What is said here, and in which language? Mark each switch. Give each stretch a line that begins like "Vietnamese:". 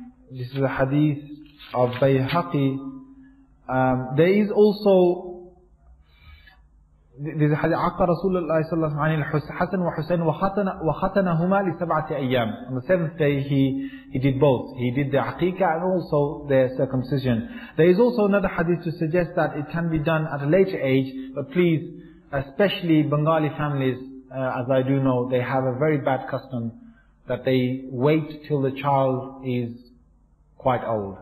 English: This is a hadith of Bayhaqi. There is also this hadith,
Arabic: عقى رسول الله صلى الله عليه وسلم عن حسن وحسين وختنهما لسبعة أيام.
English: On the seventh day, he did both. He did the aqiqah and also the circumcision. There is also another hadith to suggest that it can be done at a later age, but please, especially Bengali families, as I do know, they have a very bad custom that they wait till the child is quite old.